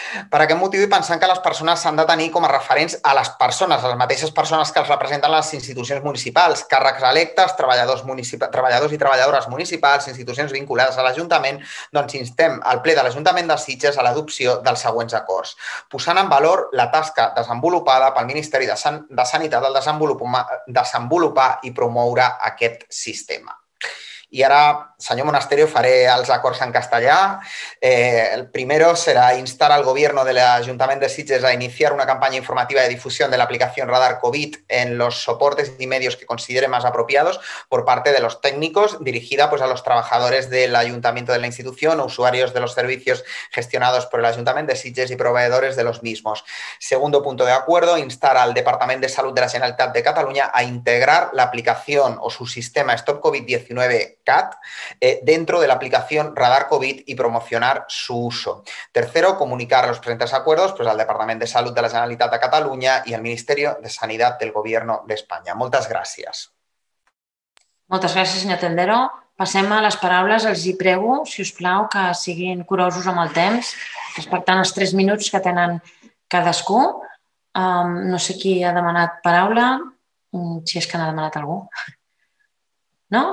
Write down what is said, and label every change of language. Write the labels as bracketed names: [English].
[Catalan] Per aquest motiu, i pensant que les persones s'han de tenir com a referents a les persones, a les mateixes persones que els representen les institucions municipals, càrrecs electes, treballadors i treballadores municipals, institucions vinculades a l'Ajuntament, doncs instem al ple de l'Ajuntament de Sitges a l'adopció del següents acords, posant en valor la tasca desenvolupada pel Ministeri de Sanitat al desenvolupar i promoure aquest sistema. I ara, senyor Monasterio, faré els acords en castellà. [Spanish] El primero será instar al gobierno del Ayuntamiento de Sitges a iniciar una campaña informativa de difusión de la aplicación Radar COVID en los soportes y medios que considere más apropiados por parte de los técnicos, dirigida pues, a los trabajadores del Ayuntamiento de la institución, usuarios de los servicios gestionados por el Ayuntamiento de Sitges y proveedores de los mismos. Segundo punto de acuerdo, instar al Departamento de Salud de la Generalitat de Cataluña a integrar la aplicación o su sistema Stop COVID-19 CAT dentro de la aplicación Radar COVID y promocionar su uso. Tercero, comunicar los presentes acuerdos pues, al Departamento de Salud de la Generalitat de Cataluña y al Ministerio de Sanidad del Gobierno de España. [Catalan] Moltes gràcies. Moltes gràcies, senyor Tendero. Passem a les paraules. Els hi prego, si us plau, que siguin curosos amb el temps, respectant els 3 minuts que tenen cadascú. No sé qui ha demanat paraula, si és que n'ha demanat algú. No?